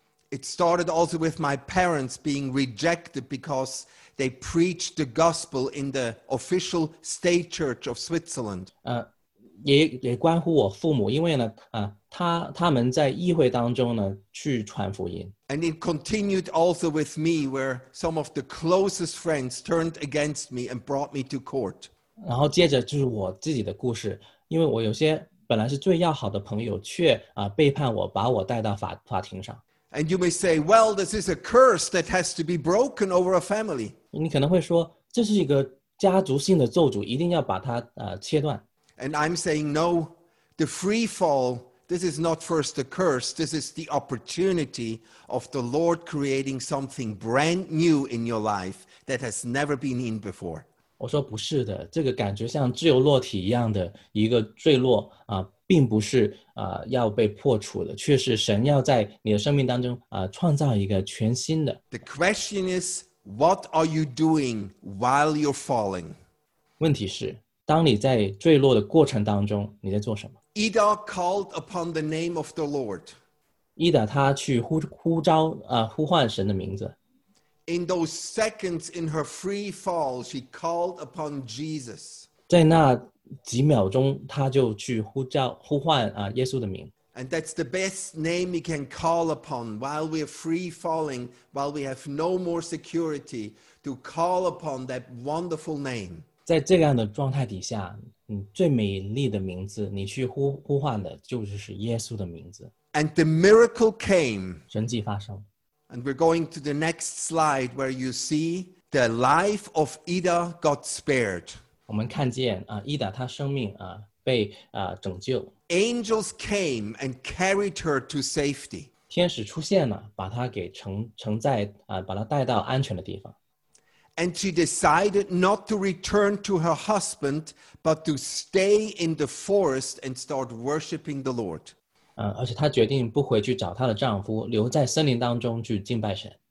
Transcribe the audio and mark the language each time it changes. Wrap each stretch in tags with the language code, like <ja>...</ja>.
<en>It started also with my parents being rejected because they preached the gospel in the official state church of Switzerland.</en> <zh>也关乎我父母，因为呢他们在议会当中呢去传福音。</zh> <en>And it continued also with me where some of the closest friends turned against me and brought me to court.</en> <zh>然后接着就是我自己的故事，因为我有些本来是最要好的朋友却背叛我，把我带到法庭上。</zh> <en>And you may say, well, this is a curse that has to be broken over a family.</en> <zh>你可能会说，这是一个家族性的咒诅，一定要把它切断。</zh> <en>And I'm saying, no, the free fall, this is not first a curse, this is the opportunity of the Lord creating something brand new in your life that has never been in before.</en> <zh>我说不是的，这个感觉像自由落体一样的一个坠落并不是要被破除的，却是神要在你的生命当中创造一个全新的。</zh> <en>The question is, What are you doing while you're falling?</en> <zh>问题是，当你在坠落的过程当中，你在做什么？</zh> <en>Ida called upon the name of the Lord.</en> <zh>Ida 她去 呼唤神的名字。</zh> <en>In those seconds in her free fall, she called upon Jesus.</en> <zh>在那几秒钟，她就去呼唤耶稣的名。</zh> <en>And that's the best name we can call upon while we are free falling, while we have no more security, to call upon that wonderful name.</en> <zh>在这样的状态底下，最美丽的名字，你去呼唤的就是耶稣的名字。</zh> <en>And the miracle came.</en> <zh>神迹发生。</zh> <en>And we're going to the next slide where you see the life of Ida got spared.</en> <zh>我们看见Ida 她生命被拯救。</zh> <en>Angels came and carried her to safety.</en> <zh>天使出现了，把她给承载把她带到安全的地方。</zh> <en>And she decided not to return to her husband, but to stay in the forest and start worshiping the Lord.</en> <zh>而且她决定不回去找她的丈夫，留在森林当中去敬拜神。</zh>